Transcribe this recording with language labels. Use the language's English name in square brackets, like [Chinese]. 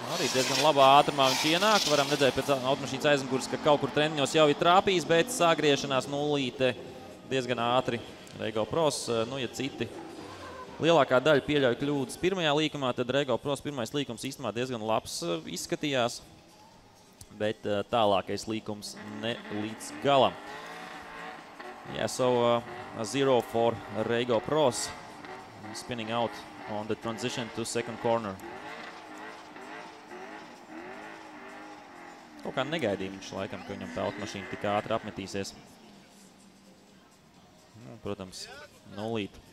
[Latvian] Arī diezgan labā ātrumā viņš ienāk. Varam redzēt pēc automašīnas aizmugures, ka kaut kur treniņos jau ir trāpījis, bet sāgriešanās nulīte diezgan ātri. Rego Pros, nu ja citi lielākā daļa pieļauj kļūdas pirmajā līkumā, tad Rego Pros pirmais līkums īstumā diezgan labs izskatījās, bet tālākais līkums ne līdz galam. [English] Yeah, so zero for Rego Pros. Spinning out on the transition to second corner. [Latvian] Kaut kā negaidīja viņš laikam, ka viņam tā automašīna tik ātri apmetīsies. Protams, nulīt.